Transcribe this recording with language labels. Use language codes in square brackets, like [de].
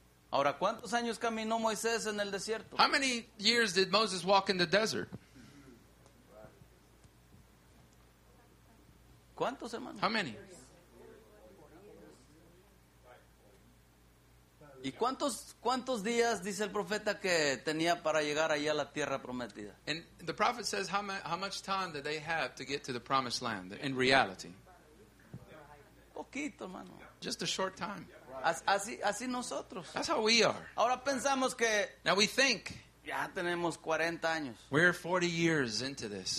[es] Ahora, ¿cuántos años caminó Moisés en el desierto? [en] How many years did Moses walk in the desert? [es] ¿Cuántos, hermano? [en] How many? [es] ¿Y cuántos días dice el profeta que tenía para llegar allá a la tierra prometida? [en] And the prophet says how much time did they have to get to the promised land in reality? [es] Poquito, hermano. [en] Just a short time. [es] Así nosotros. [en] That's how we are. [es] Ahora pensamos que [en] now we think [es] ya tenemos 40 años. [en] We're 40 years into this.